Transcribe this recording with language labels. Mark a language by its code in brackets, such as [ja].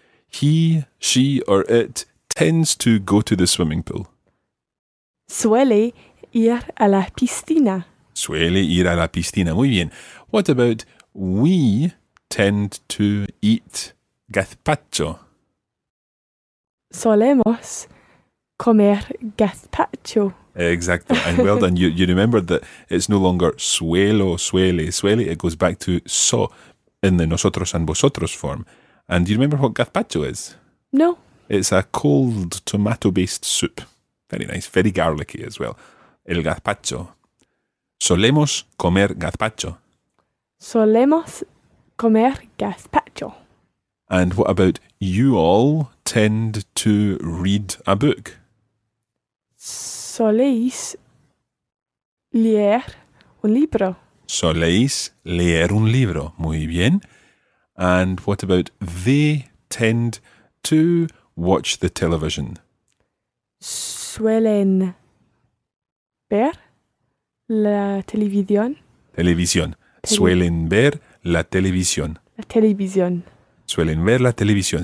[en] He, she, or it tends to go to the swimming pool. [es] Suele ir a la piscina. Suele ir a la piscina. Muy bien. [en] What about we tend to eat gazpacho? [es] Solemos comer gazpacho. [en] Exactly. And well done. You remembered that it's no longer suelo, suele, suele. It goes back to so in the nosotros and vosotros form. And do you remember what gazpacho is? No. It's a cold tomato-based soup. Very nice. Very garlicky as well. El gazpacho. [es] Solemos comer gazpacho. Solemos comer gazpacho. [en] And what about you all tend to read a book? [es] Soléis leer un libro. Soléis leer un libro. Muy bien. [en] And what about they tend to watch the television? [es] Suelen ver la televisión. Televisión. Suelen ver la televisión. La televisión. Suelen ver la televisión.